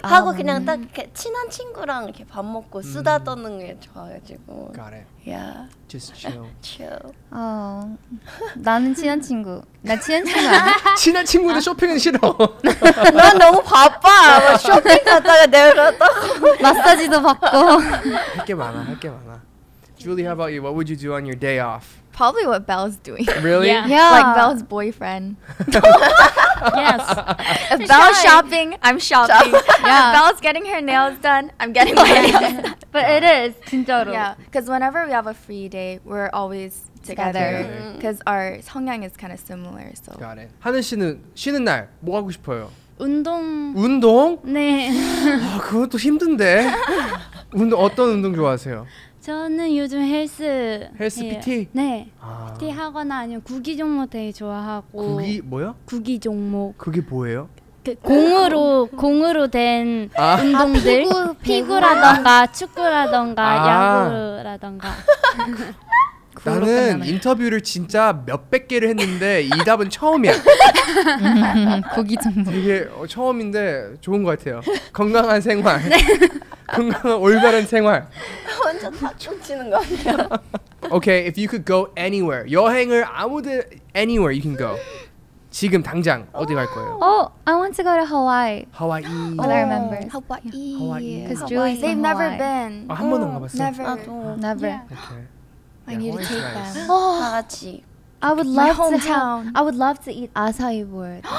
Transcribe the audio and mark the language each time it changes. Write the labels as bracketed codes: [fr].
[ko] 하고 그냥 딱 친한 친구랑 이렇게 밥 먹고 쓰다 떠는 게 좋아가지고. [en] Got it. Yeah. Just chill. chill. [ko] 나는 친한 친구. 나 친한 친구 아니야? 친한 친구도 쇼핑은 싫어. 난 너무 바빠. 쇼핑 갔다가 내려갔다고. 마사지도 받고. 할 게 많아. [en] Julie, how about you? What would you do on your day off? Probably what Belle's doing. Really? Yeah. Like Belle's boyfriend. yes. If Belle's shopping, I'm shopping. Yeah. If Belle's getting her nails done, I'm getting my nails done. But it is. [ko] 진짜로. [en] Yeah. Because whenever we have a free day, we're always together. Because our 성향 is kind of similar. So. Got it. [ko] 하늘 씨는 쉬는 날 뭐 하고 싶어요? 운동? 네. 아, 그것도 힘든데. 어떤 운동 좋아하세요? 저는 요즘 헬스 PT? 네. 아. PT 하거나 아니면 구기 종목 되게 좋아하고. 구기 뭐요? 구기 종목. 그게 뭐예요? 그 공으로 된 아. 운동들. 아, 피구, 피구라던가 축구라던가 아. 야구라던가. 나는 인터뷰를 진짜 몇백 개를 했는데 이 답은 처음이야. 구기 종목. 이게 처음인데 좋은 것 같아요. 건강한 생활. 네. 건강한 올바른 생활. 완전 다 춤추는 거 아니야? [en] Okay, if you could go anywhere, [ko] 여행을 아무데 [en] anywhere you can go. [ko] 지금 당장 어디 갈 거예요? [en] Oh, I want to go to Hawaii. Hawaii. With our members. Hawaii. Hawaii. Because Julie, they've Hawaii. Never been. [ko] 아, 한 번도 안 가봤어요. [en] Never. Never. Yeah. Okay. I need to take them. [ko] 다 같이. [en] I would love to. My hometown. I would love to eat acai board.